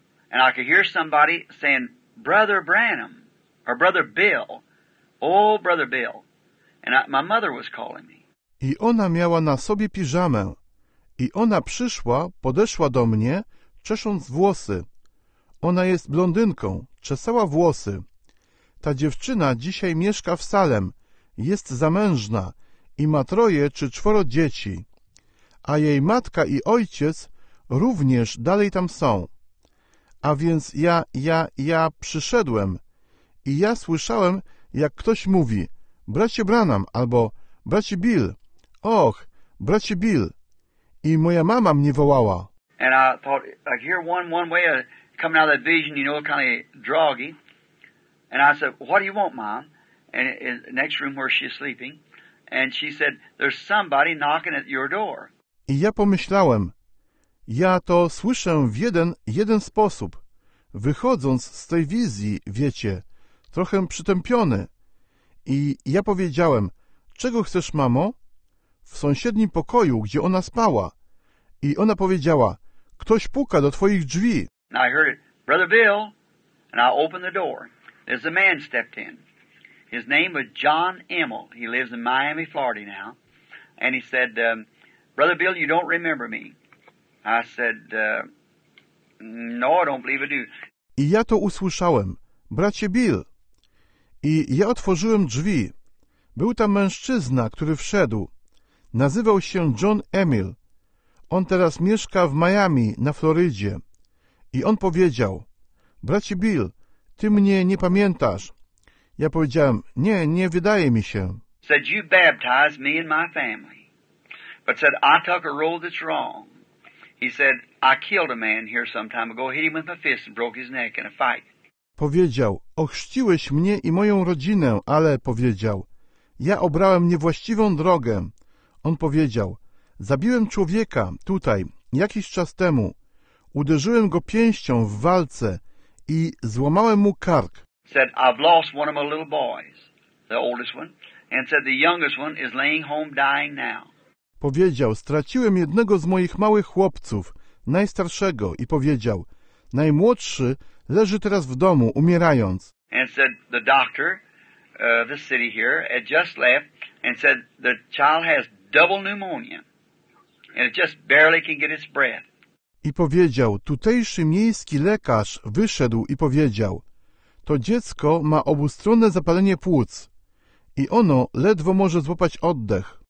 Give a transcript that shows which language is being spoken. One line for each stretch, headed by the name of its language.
English: And I could hear somebody saying, Brother Branham, or Brother Bill. Oh, Brother Bill. And my mother was calling me.
Polish: I ona miała na sobie piżamę. I ona przyszła, podeszła do mnie, czesząc włosy. Ona jest blondynką, czesała włosy. Ta dziewczyna dzisiaj mieszka w Salem, jest zamężna i ma troje czy czworo dzieci. A jej matka i ojciec również dalej tam są. A więc ja przyszedłem i ja słyszałem, jak ktoś mówi: bracie Branham albo bracie Bill. Och, bracie Bill. I moja mama mnie wołała.
English: And I thought, like, here one way of coming out of that vision, you know, kind of draggy. And I said, what do you want, mom? And in the next room where she's sleeping. And she said, there's somebody knocking at your door.
Polish: I ja pomyślałem, ja to słyszę w jeden sposób. Wychodząc z tej wizji, wiecie, trochę przytępiony. I ja powiedziałem, czego chcesz, mamo? W sąsiednim pokoju, gdzie ona spała. I ona powiedziała, ktoś puka do twoich drzwi.
English: And I heard it, brother Bill, and I opened the door. There's a man stepped in. His name was John Emil. He lives in Miami, Florida now. And he said, brother Bill, you don't remember me. I said, no, I don't believe I do.
Polish: I ja to usłyszałem, bracie Bill. I ja otworzyłem drzwi. Był tam mężczyzna, który wszedł. Nazywał się John Emil. On teraz mieszka w Miami, na Florydzie. I on powiedział, bracie Bill, ty mnie nie pamiętasz. Ja powiedziałem, nie wydaje mi się.
English: Said, you baptized me and my family. But said, I took a role that's wrong. He said, I killed a man here some time ago, hit him with my fist and broke his neck in a fight.
Polish: Powiedział, ochrzciłeś mnie i moją rodzinę, ale powiedział, ja obrałem niewłaściwą drogę. On powiedział, zabiłem człowieka tutaj, jakiś czas temu. Uderzyłem go pięścią w walce i złamałem mu kark.
English: Said, I've lost one of my little boys, the oldest one, and said the youngest one is laying home dying now.
Polish: Powiedział, straciłem jednego z moich małych chłopców, najstarszego, i powiedział, najmłodszy leży teraz w domu, umierając.
English: And said, the doctor of the city here had just left and said, the child has double pneumonia and it just barely can get its breath.
Polish: I powiedział, tutejszy miejski lekarz wyszedł i powiedział, to dziecko ma obustronne zapalenie płuc i ono ledwo może złapać oddech.